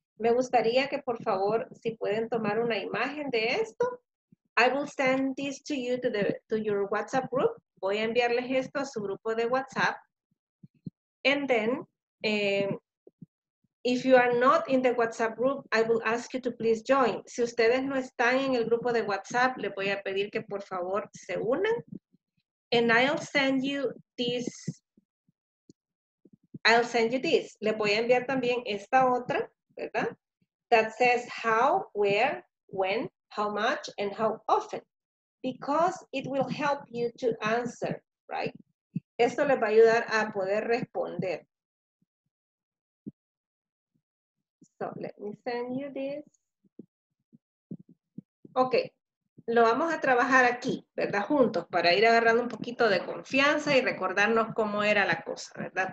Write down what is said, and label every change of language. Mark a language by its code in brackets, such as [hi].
[es] Me gustaría que, por favor, si pueden tomar una imagen de esto, [en] I will send this to you to your WhatsApp group. [es] Voy a enviarles esto a su grupo de WhatsApp. [en] And then, if you are not in the WhatsApp group, I will ask you to please join. [es] Si ustedes no están en el grupo de WhatsApp, le voy a pedir que por favor se unan. [en] And I'll send you this. [es] Le voy a enviar también esta otra, ¿verdad? [en] That says how, where, when, how much, and how often. Because it will help you to answer, right? [es] Esto les va a ayudar a poder responder. [en] So let me send you this. [es] Okay, lo vamos a trabajar aquí, ¿verdad? Juntos, para ir agarrando un poquito de confianza y recordarnos cómo era la cosa, ¿verdad?